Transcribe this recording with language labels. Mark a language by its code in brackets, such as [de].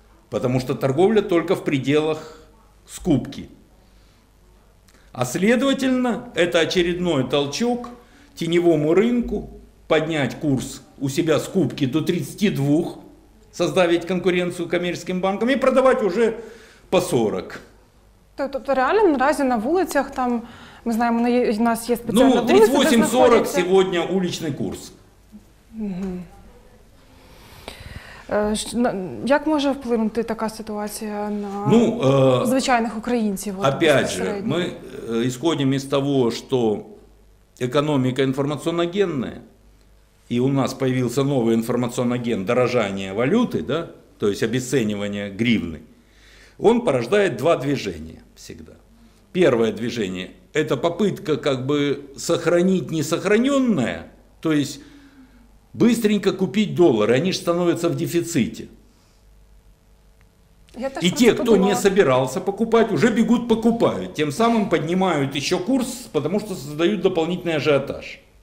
[ru] Потому что торговля только в пределах скупки. А следовательно, это очередной толчок теневому рынку поднять курс у себя скупки до 32, создавить конкуренцию коммерческим банкам и продавать уже по 40. [uk] Тобто реально наразі на вулицях там, ми знаємо, у нас є спеціальна вулиця. Ну, 38-40 сьогодні уличний курс. Угу. Як може вплинути така ситуація на звичайних українців? [ru] Опять же, [uk] ми [ru] исходим [uk] із того, що економіка інформаційно-генна, і у нас з'явився новий інформаційно-ген дорожання валюти, да? Тобто обесценювання гривні. [ru] Он порождает два движения всегда. Первое движение – это попытка как бы сохранить несохраненное, то есть быстренько купить доллары, они же становятся в дефиците. И те, кто не собирался покупать, уже бегут покупают, тем самым поднимают еще курс, потому что создают дополнительный ажиотаж.